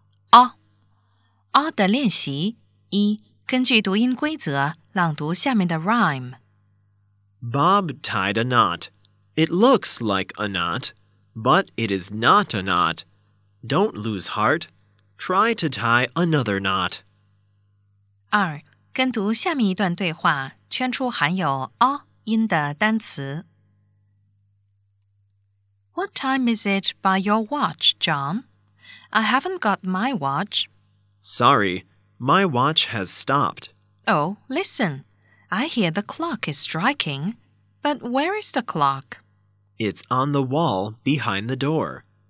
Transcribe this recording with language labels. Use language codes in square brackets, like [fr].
[zh] 啊啊的练习一，根据读音规则朗读下面的 rhyme。 [en] Bob tied a knot. It looks like a knot, but it is not a knot. Don't lose heart. Try to tie another knot. [zh] 二，跟读下面一段对话，圈出含有 a 音的单词。 [en] What time is it by your watch, John? I haven't got my watch. Sorry, my watch has stopped. Oh, listen. I hear the clock is striking. But where is the clock? It's on the wall behind the door.